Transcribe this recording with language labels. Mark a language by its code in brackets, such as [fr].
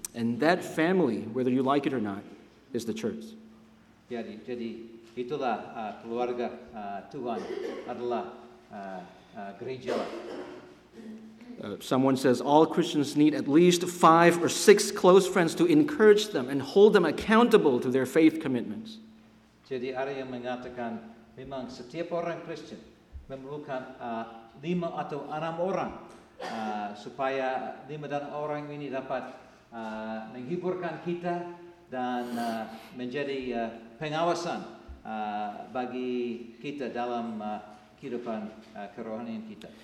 [en] And that family, whether you like it or not, is the church. [id] Jadi itulah keluarga Tuhan adalah gereja. [en] Someone says all Christians need at least 5 or 6 close friends to encourage them and hold them accountable to their faith commitments. [id] Jadi ada yang mengatakan memang setiap orang Kristen memerlukan 5 atau 6 orang supaya 5 dan orang ini dapat menghiburkan kita dan menjadi pengawasan bagi kita dalam kehidupan kerohanian kita.